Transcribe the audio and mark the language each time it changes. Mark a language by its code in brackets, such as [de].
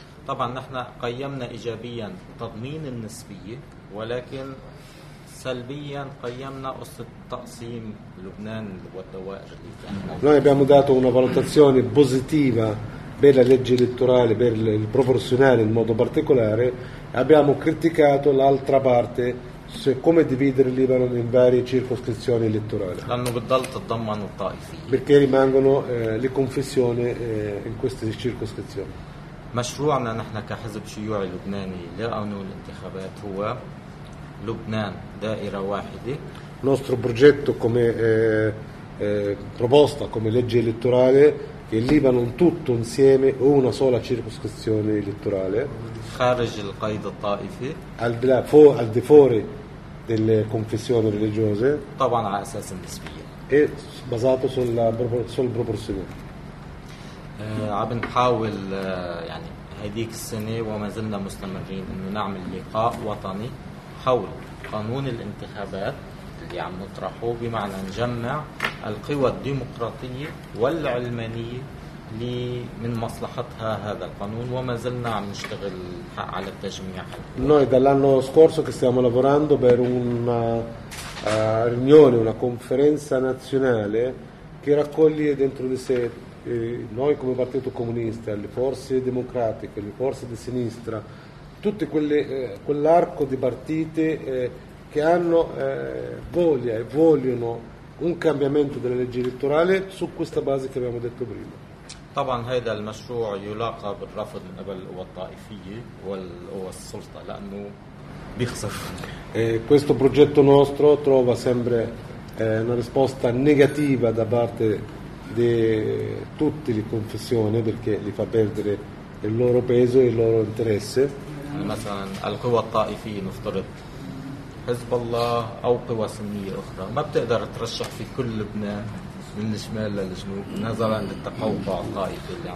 [ar] طبعا نحن قيمنا ايجابيا تضمين النسبيه ولكن سلبيا قيمنا قصه تقسيم لبنان والدوائر اللي كانت. [it] noi abbiamo dato una valutazione positiva per la legge elettorale, per il proporzionale in modo particolare. abbiamo criticato l'altra parte, su come dividere il Libano in varie circoscrizioni elettorali. [ar] لانه بتضل تتضمن الطائفية. [it] perché rimangono le confessioni in queste circoscrizioni. [ar] مشروعنا نحن كحزب شيوعي لبناني لقانون الانتخابات هو لبنان دائرة واحدة. [it] nostro progetto come proposta come legge elettorale che il Libano tutto insieme o una sola circoscrizione elettorale [ar] خارج القيد الطائفي [it] al di fuori delle confessioni religiose [ar] طبعا على أساس النسبية [it] e basato sul proporzionale. [ar] عم نحاول يعني هذيك السنة وما زلنا مستمرين إنه نعمل لقاء وطني حول قانون الانتخابات اللي عم نطرحه، بمعنى نجمع القوى الديمقراطية والعلمانية اللي من مصلحتها هذا القانون، وما زلنا عم نشتغل على التجميع. [it] Noi dall'anno scorso che stiamo lavorando per una riunione, una conferenza nazionale che raccoglie dentro di sé noi come Partito Comunista, le forze democratiche, le forze di sinistra, tutte quelle, quell'arco di partite che hanno voglia e vogliono un cambiamento della legge elettorale su questa base che abbiamo detto prima. [ar] طبعا هذا المشروع يلاقب الرفض من قبل القوى الطائفيه والسلطه لانه بيخسر. [it] Questo progetto nostro trova sempre una risposta negativa da parte di tutte le confessioni perché li fa perdere il loro peso e il loro interesse. [ar] مثلا القوى الطائفيه نفترض حزب الله او قوى سنيه اخرى ما بتقدر ترشح في كل لبنان من الشمال للجنوب نظرا للتقوقع الطائفي اللي عندهم.